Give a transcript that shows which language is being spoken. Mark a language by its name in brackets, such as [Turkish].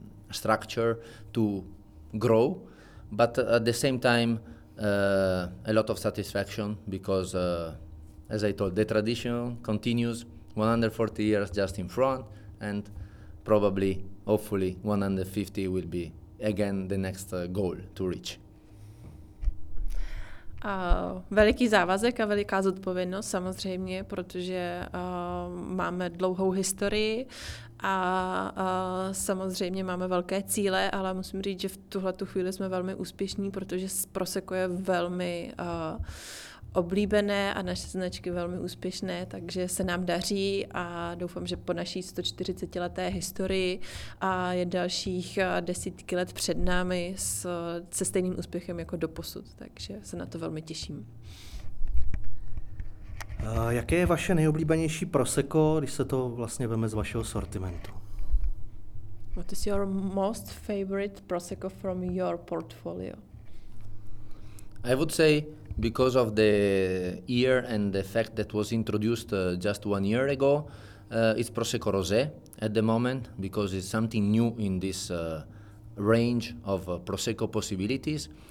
[English] structure to grow, but at the same time, a lot of satisfaction because, as I told, the tradition continues 140 years just in front, and probably, hopefully, 150 will be again the next goal to reach. [Czech] Veliký závazek a veliká zodpovědnost samozřejmě, protože máme dlouhou historii a samozřejmě máme velké cíle, ale musím říct, že v tuhletu chvíli jsme velmi úspěšní, protože Prosecco je velmi oblíbené a naše značky velmi úspěšné, takže se nám daří a doufám, že po naší 140-leté historii a je dalších desítky let před námi se stejným úspěchem jako doposud, takže se na to velmi těším. Jaké je vaše nejoblíbenější Prosecco, když se to vlastně veme z vašeho sortimentu? [English] What is your most favorite Prosecco from your portfolio? I would say because of the year and the fact that was introduced just 1 year ago, it's Prosecco Rosé at the moment, because it's something new in this range of Prosecco possibilities.